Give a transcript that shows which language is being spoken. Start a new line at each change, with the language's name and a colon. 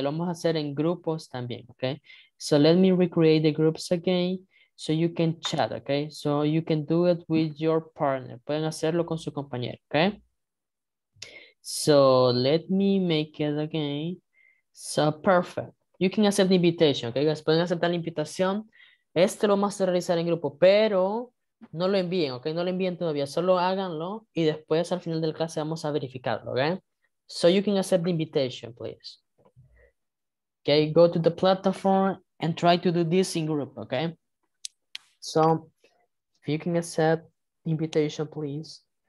Spanish: Lo vamos a hacer en grupos también, okay?
English: So let me recreate the groups again so you can chat, okay? So you can do it with your partner.
Spanish: Pueden hacerlo con su compañero,
English: okay? So let me make it again. So perfect. You can accept the invitation, okay, guys?
Spanish: Pueden aceptar la invitación. Este lo vamos a realizar en grupo, pero no lo envíen, okay? No lo envíen todavía. Solo háganlo y después al final del clase vamos a verificarlo, okay?
English: So you can accept the invitation, please. Okay, go to the platform and try to do this in group, okay? So if you can accept the invitation, please.